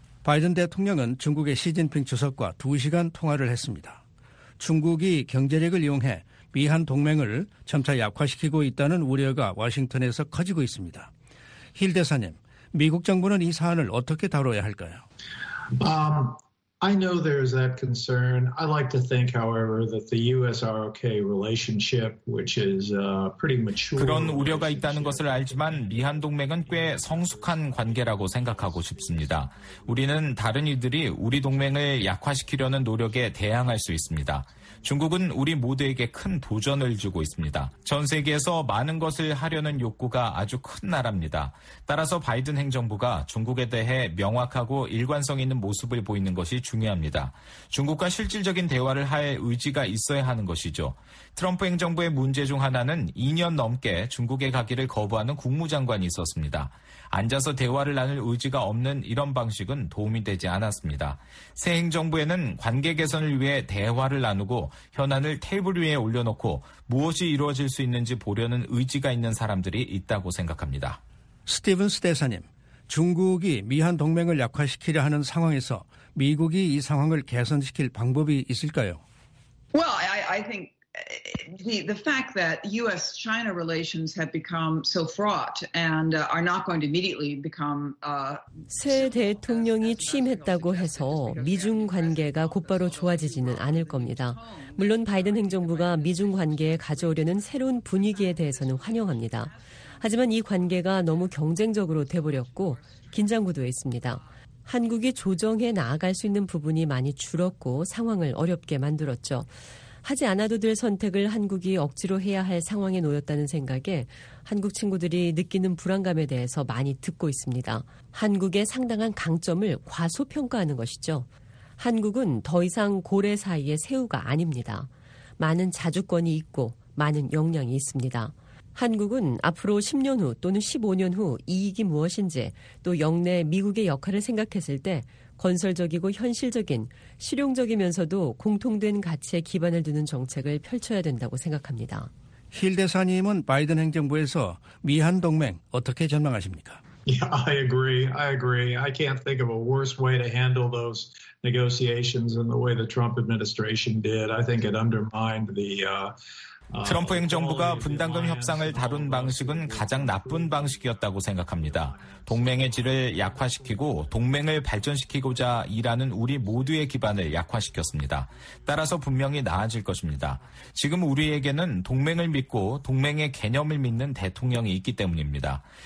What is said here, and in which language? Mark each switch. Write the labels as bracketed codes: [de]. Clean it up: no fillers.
[ko] 바이든 대통령은 중국의 시진핑 주석과 2시간 통화를 했습니다. 중국이 경제력을 이용해 미한 동맹을 점차 약화시키고 있다는 우려가 워싱턴에서 커지고 있습니다. 힐 대사님, 미국 정부는 이 사안을 어떻게 다뤄야 할까요? [en] I know there's that concern. I like to think, however, that the U.S.-ROK relationship, which is pretty mature. [ko] 그런 우려가 있다는 것을 알지만 미한 동맹은 꽤 성숙한 관계라고 생각하고 싶습니다. 우리는 다른 이들이 우리 동맹을 약화시키려는 노력에 대항할 수 있습니다. 중국은 우리 모두에게 큰 도전을 주고 있습니다. 전 세계에서 많은 것을 하려는 욕구가 아주 큰 나라입니다. 따라서 바이든 행정부가 중국에 대해 명확하고 일관성 있는 모습을 보이는 것이 중요합니다. 중국과 실질적인 대화를 할 의지가 있어야 하는 것이죠. 트럼프 행정부의 문제 중 하나는 2년 넘게 중국에 가기를 거부하는 국무장관이 있었습니다. 앉아서 대화를 나눌 의지가 없는 이런 방식은 도움이 되지 않았습니다. 새 행정부에는 관계 개선을 위해 대화를 나누고 현안을 테이블 위에 올려놓고 무엇이 이루어질 수 있는지 보려는 의지가 있는 사람들이 있다고 생각합니다. 스티븐스 대사님, 중국이 미한 동맹을 약화시키려 하는 상황에서 미국이 이 상황을 개선시킬 방법이 있을까요? [en] Well, I think the fact that U.S.-China relations have become so fraught and are not going to immediately become [ko] 새 대통령이 취임했다고 해서 미중 관계가 곧바로 좋아지지는 않을 겁니다. 물론 바이든 행정부가 미중 관계에 가져오려는 새로운 분위기에 대해서는 환영합니다. 하지만 이 관계가 너무 경쟁적으로 돼버렸고 긴장구도에 있습니다. 한국이 조정해 나아갈 수 있는 부분이 많이 줄었고 상황을 어렵게 만들었죠. 하지 않아도 될 선택을 한국이 억지로 해야 할 상황에 놓였다는 생각에 한국 친구들이 느끼는 불안감에 대해서 많이 듣고 있습니다. 한국의 상당한 강점을 과소평가하는 것이죠. 한국은 더 이상 고래 사이의 새우가 아닙니다. 많은 자주권이 있고 많은 역량이 있습니다. 한국은 앞으로 10년 후 또는 15년 후 이익이 무엇인지 또 역내 미국의 역할을 생각했을 때 건설적이고 현실적인, 실용적이면서도 공통된 가치에 기반을 두는 정책을 펼쳐야 된다고 생각합니다. 힐 대사님은 바이든 행정부에서 미한 동맹 어떻게 전망하십니까? [en] Yeah, I agree. I can't think of a worse way to handle those negotiations than the way the Trump administration did. I think it undermined the [ko] 트럼프 행정부가 분담금 협상을 다룬 방식은 가장 나쁜 방식이었다고 생각합니다. 동맹의 질을 약화시키고 동맹을 발전시키고자 일하는 우리 모두의 기반을 약화시켰습니다. 따라서 분명히 나아질 것입니다. 지금 우리에게는 동맹을 믿고 동맹의 개념을 믿는 대통령이 있기 때문입니다.